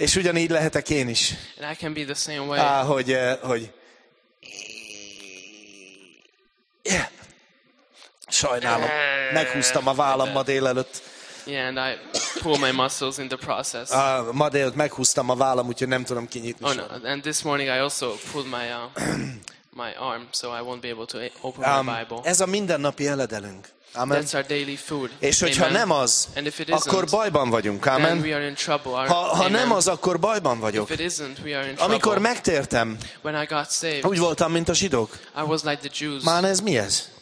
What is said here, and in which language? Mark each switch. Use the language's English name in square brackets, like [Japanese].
[Hungarian] És ugyanígy lehetek én is. [English] And I can be the same way. [Hungarian] Hogy [English] yeah. [Hungarian] Sajnálom. Meghúztam a vállam ma délelőtt. [English] Yeah, and I pull my muscles in the process. [Hungarian] Ma délelőtt meghúztam a vállam, úgyhogy nem tudom kinyitni. [English] Oh, no. And this morning I also pulled my my arm, so I won't be able to open my Bible. [Hungarian] Ez a mindennapi eledelünk. [English] Amen. That's our daily food. [Hungarian] És hogyha [English] amen. [Hungarian] Nem az, akkor bajban vagyunk. [English] Amen. Then we are in trouble. [Hungarian] Ha nem az, akkor bajban vagyok. [English] If it isn't, we are in trouble. [Hungarian] Amikor megtértem, [English] when I got saved, [Hungarian] úgy voltam, mint a zsidók. [English] I was like the Jews. [Hungarian] Már ez mi ez?